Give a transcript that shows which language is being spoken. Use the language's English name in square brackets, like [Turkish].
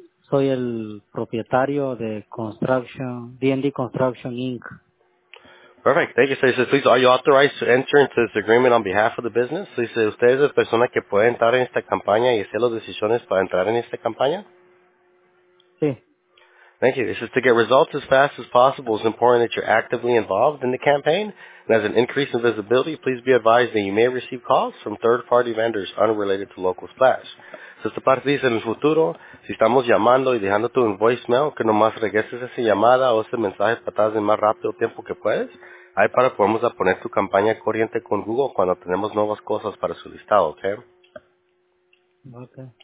[Spanish] Soy el propietario de D&D Construction Inc. [English] Perfect. Thank you. So he says, please, are you authorized to enter into this agreement on behalf of the business? So he says, [Spanish] ¿usted es la persona que puede entrar en esta campaña y hacer las decisiones para entrar en esta campaña? Sí. [English] Thank you. He says, to get results as fast as possible, it's important that you're actively involved in the campaign. And as an increase in visibility, please be advised that you may receive calls from third-party vendors unrelated to local Splash. [Spanish] So esta parte dice, en el futuro, si estamos llamando y dejándote un voicemail, que nomás regreses esa llamada o ese mensaje para atrás en más rápido tiempo que puedes, ahí para que podamos poner tu campaña corriente con Google cuando tenemos nuevas cosas para su listado, ¿ok? Ok.